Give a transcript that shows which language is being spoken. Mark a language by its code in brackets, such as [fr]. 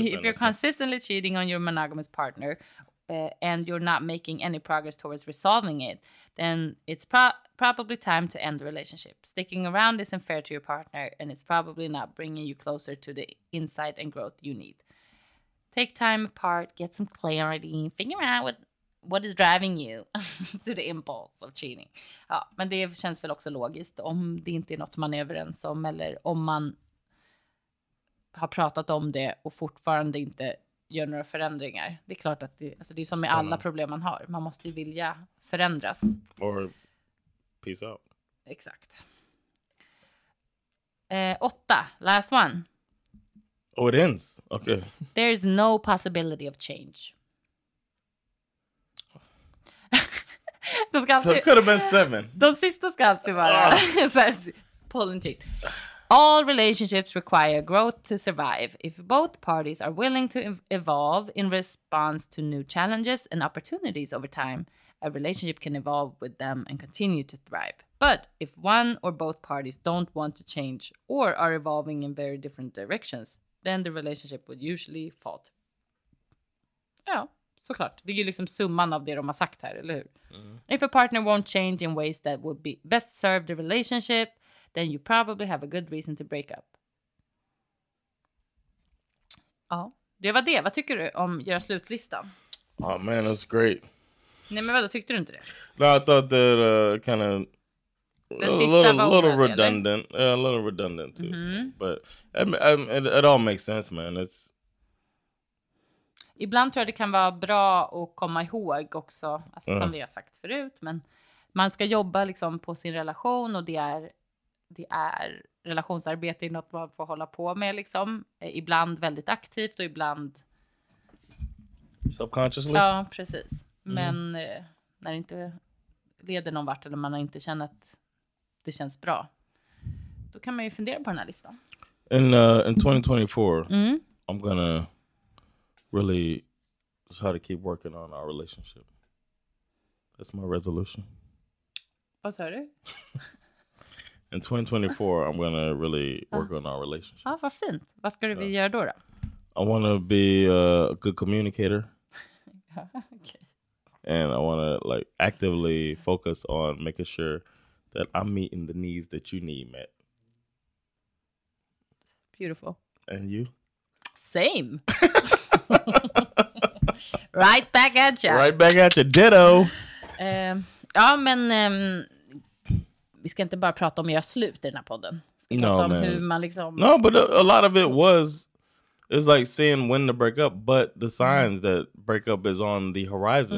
[sv] Nej, [en] if you're consistently cheating on your monogamous partner and you're not making any progress towards resolving it, then it's probably time to end the relationship. Sticking around isn't fair to your partner, and it's probably not bringing you closer to the insight and growth you need. Take time apart, get some clarity, figure out what is driving you to the impulse of cheating. [sv] Ja, men det känns väl också logiskt om det inte är något man är överens om, eller om man har pratat om det och fortfarande inte gör några förändringar. Det är klart att det är som med alla problem man har. Man måste ju vilja förändras. [en] Or peace out. [sv] Exakt. [en] 8. Last one. Oh, it ends. Okay. There is no possibility of change. [sv] De ska alltid, [en] so it could have been 7. [sv] De sista ska alltid vara [en] pulling teeth. All relationships require growth to survive. If both parties are willing to evolve in response to new challenges and opportunities over time, a relationship can evolve with them and continue to thrive. But if one or both parties don't want to change or are evolving in very different directions, then the relationship would usually fall. [sv] Ja, såklart. Det är ju liksom summan av det de har sagt här, eller hur? Mm. [en] If a partner won't change in ways that would be best serve the relationship, then you probably have a good reason to break up. [sv] Ja, det var det. Vad tycker du om göra slutlistan? [en] Oh man, that's great. [sv] Nej, men vadå, tyckte du inte det? [en] No, I thought that kind of a little redundant. Yeah, a little redundant too. Mm-hmm. But it all makes sense, man. It's... [sv] Ibland tror jag det kan vara bra att komma ihåg också, alltså som vi har sagt förut, men man ska jobba liksom på sin relation, och det är relationsarbete, något man får hålla på med liksom, ibland väldigt aktivt och ibland [en] subconsciously. [sv] Ja, precis. Men när det inte leder någon vart, eller man har inte känt att det känns bra, då kan man ju fundera på den här listan. [en] In 2024, I'm gonna really try to keep working on our relationship. That's my resolution. [sv] Vad sa du? [en] In 2024, I'm gonna really work on our relationship. [sv] Ah, vad fint. Vad ska du vilja göra då? [en] I wanna be a good communicator. Okay. And I wanna like actively focus on making sure that I'm meeting the needs that you need met. Beautiful. And you? Same. Right back at ya. Right back at ya. Ditto. [sv] Ja, men vi ska inte bara prata om att göra slut i den här podden. [en] No, [sv] prata om, [en] man. [sv] Hur man liksom... [en] No, but a lot of it's like seeing when to break up, but the signs that breakup is on the horizon.